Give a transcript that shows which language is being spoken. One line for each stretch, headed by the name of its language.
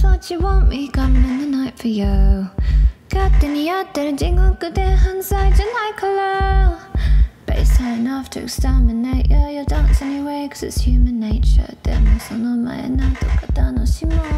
English: You want me, come in the night for you.
Japanese: 勝手にやってる地獄で犯罪じゃないから.
English: Bass high enough to exterminate. Yeah, you'll dance anyway, cause it's human nature.
Japanese: でもその前何とか楽しもう.